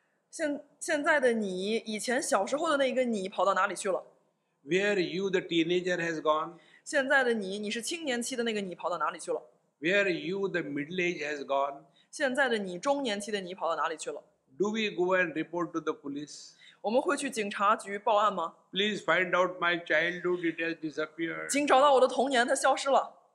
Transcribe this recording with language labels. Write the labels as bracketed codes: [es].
[zh] 现在的你，以前小时候的那个你，跑到哪里去了 [en] ？Where you, the teenager, has gone? [zh] 现在的你，你是青年期的那个你，跑到哪里去了 [en] ？Where you, the middle age, has gone? [zh] 现在的你，中年期的你跑到哪里去了 [en] ？Do we go and report to the police？ [zh] 我们会去警察局报案吗 [en] ？Please find out my childhood; it has disappeared. [zh] 请找到我的童年，它消失了。